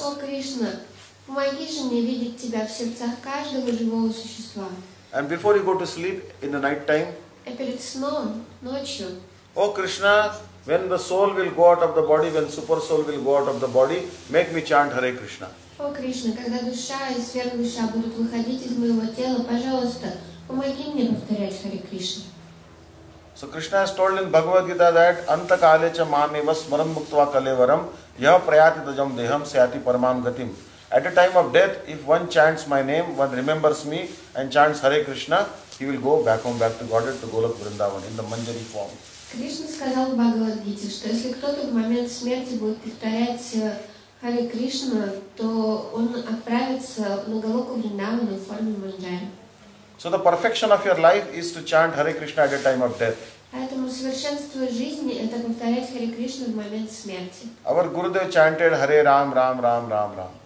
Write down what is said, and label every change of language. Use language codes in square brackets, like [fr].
[ru] О Кришна, помоги же мне видеть тебя в сердцах каждого живого существа. [en] And before you go to sleep in the night time. [ru] И перед сном, ночью. [en] О Кришна, when the soul will go out of the body, when super soul will go out of the body, make me chant Hare Krishna. [ru] О Кришна, когда душа и сверхдуша будут выходить из моего тела, пожалуйста, помоги мне повторять Харе Кришна. [en] So Krishna has told in Bhagavad Gita that [sa] antakale cha mam eva smaram muktva kalevaram yah prayati tajam deham syati paramam gatim. [en] At the time of death, if one chants my name, one remembers me and chants Hare Krishna, he will go back home, back to Godhead, to Golak Vrindavan in the manjari form. [ru] Кришна сказал в Бхагавад-гите, что если кто-то в момент смерти будет повторять Харе Кришна, то он отправится на Голоку Вриндавану в форме манджари. [en] So the perfection of your life is to chant Hare Krishna at the time of death. [ru] Поэтому совершенство жизни – это повторять Харе Кришну в момент смерти. [en] Our Gurudev chanted Hare Ram, Ram, Ram, Ram, Ram.